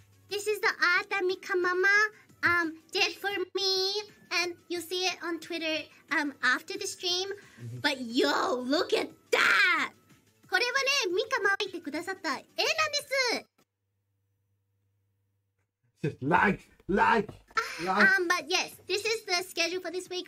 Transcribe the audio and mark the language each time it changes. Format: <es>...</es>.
<en>This is the art that Mika Mama did for me, and you'll see it on Twitter after the stream. But yo, look at that.</en> <ja>これはね、ミカママ描いてくださった絵なんです。</ja> <en>Just lag. But yes, this is the schedule for this week.</en>